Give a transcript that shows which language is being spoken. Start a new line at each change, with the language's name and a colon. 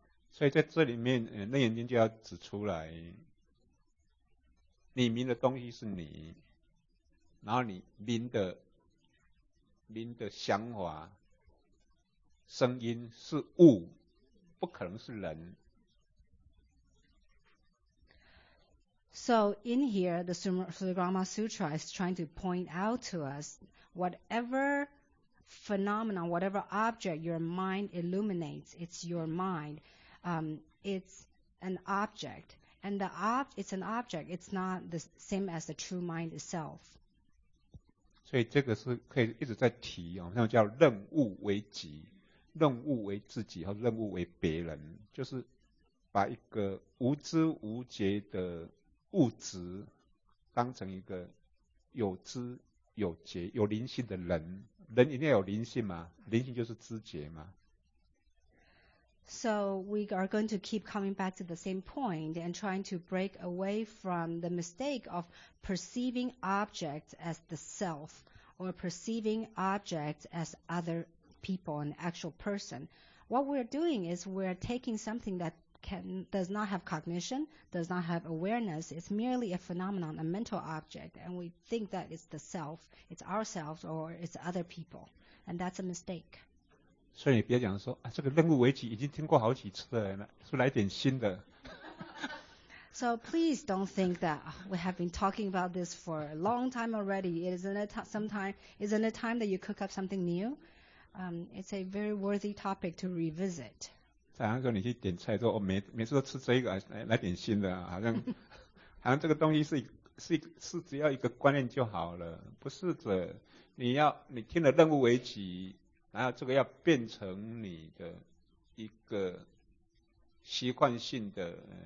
Chinese: 所以在这里面，楞严经就要指出来，你明的东西是你，然后你明的想法、声音是物，不可能是人。
English: So in here, the Sugama Sutra is trying to point out to us whatever phenomenon, whatever object your mind illuminates, it's your mind. It's an object. And it's an object. It's not the same as the true mind itself.
Chinese: 所以这个是可以一直在提，好像叫任物为己，任物为自己和任物为别人，就是把一个无知无觉的物质当成一个有知有觉有灵性的人，人一定要有灵性嘛，灵性就是知觉嘛。
English: So we are going to keep coming back to the same point and trying to break away from the mistake of perceiving objects as the self or perceiving objects as other people, an actual person. What we're doing is we're taking something that does not have cognition, does not have awareness, it's merely a phenomenon, a mental object, and we think that it's the self, it's ourselves, or it's other people, and that's a mistake.
Chinese: 所以你不要讲说、啊、这个任务危机已经听过好几次了，是来点新的。
English: So please don't think that we have been talking about this for a long time already. Isn't it time that you cook up something new? It's a very worthy topic to revisit.
Chinese: 好像说你去点菜说、哦、每次都吃这个 来点新的、啊、好像这个东西 是只要一个观念就好了，不是的，你听了任务为己，然后这个要变成你的一个习惯性 的